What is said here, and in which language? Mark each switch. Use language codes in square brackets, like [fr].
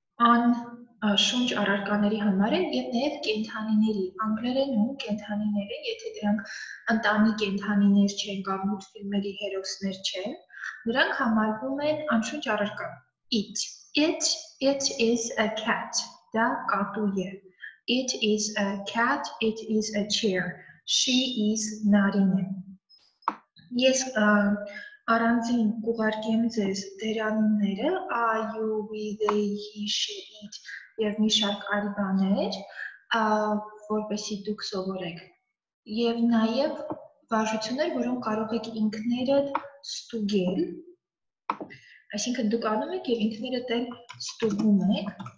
[hy] on շունչ առարկաների համար են եւ նաեւ կենթանիների։ Անգլերենում կենթանիները, եթե դրանք ընտանի կենթանիներ չեն կամ մուլտֆիլմերի հերոսներ չեն, նրանք համարվում են անշունչ առարկա։ [en] It. It. It is a cat. [hy] Դա կատու է։ [en] It is a cat. It is a chair. She is [hy] Նարինե։ Ես առանձին կուղարկի եմ ձեզ դերանունները, [en] I, you, we, they, he, she, it [hy] եւ մի շարք այլ բաներ, որպեսզի դուք սովորեք։ Եվ նաեւ վարժություններ, որոնք կարող եք ինքներդ ստուգել, այսինքն դուք անում եք եւ ինքներդ էլ ստուգում եք։